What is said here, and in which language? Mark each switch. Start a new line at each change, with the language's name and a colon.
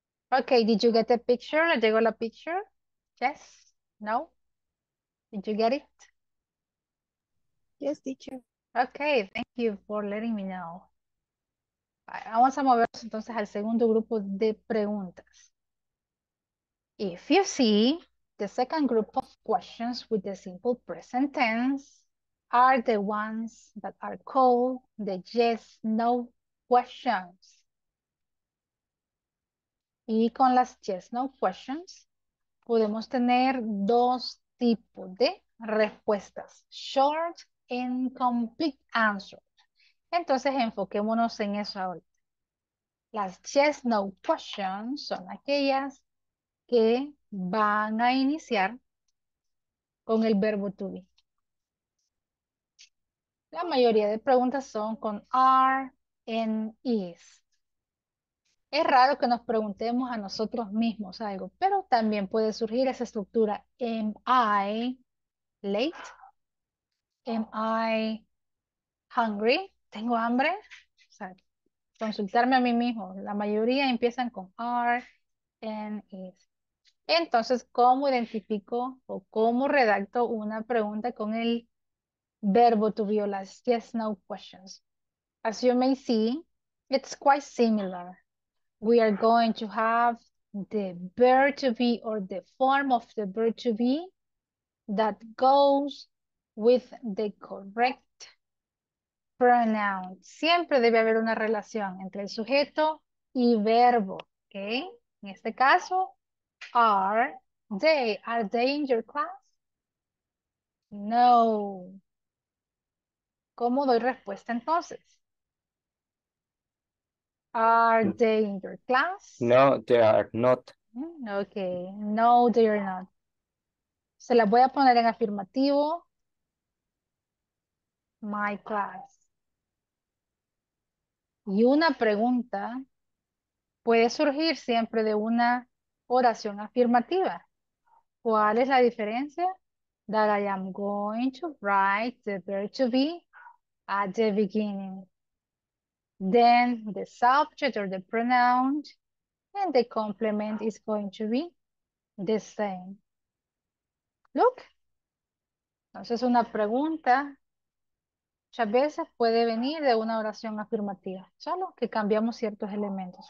English: Okay, did you get the picture?
Spanish: ¿Le llegó la
English: picture? Yes? No? Did you get it? Yes, teacher. Okay, thank you for letting me know.
Spanish: Vamos a movernos entonces al segundo grupo de preguntas.
English: If you see, the second group of questions with the simple present tense are the ones that are called the yes, no questions.
Spanish: Y con las yes, no questions, podemos tener dos tipos de respuestas.
English: Short and complete answers.
Spanish: Entonces, enfoquémonos en eso ahorita. Las yes, no questions son aquellas que van a iniciar con el verbo to be. La mayoría de preguntas son con are and is. Es raro que nos preguntemos a nosotros mismos algo, pero también puede surgir esa estructura.
English: Am I late? Am I hungry?
Spanish: ¿Tengo hambre? O sea, consultarme a mí mismo. La mayoría empiezan con are and is. Entonces, ¿cómo identifico o cómo redacto una pregunta con el verbo to be o las yes, no questions?
English: As you may see, it's quite similar. We are going to have the verb to be or the form of the verb to be that goes with the correct Pronoun.
Spanish: Siempre debe haber una relación entre el sujeto y verbo.
English: ¿Okay?
Spanish: En este caso,
English: are they in your class? No.
Spanish: ¿Cómo doy respuesta entonces?
English: Are they in your class? No, they are not. Ok, no, they are not.
Spanish: Se las voy a poner en afirmativo.
English: My class.
Spanish: Y una pregunta puede surgir siempre de una oración afirmativa. ¿Cuál es la diferencia?
English: That I am going to write the verb to be at the beginning. Then the subject or the pronoun and the complement is going to be the same. Look.
Spanish: Entonces una pregunta muchas veces puede venir de una oración afirmativa, solo que cambiamos ciertos elementos.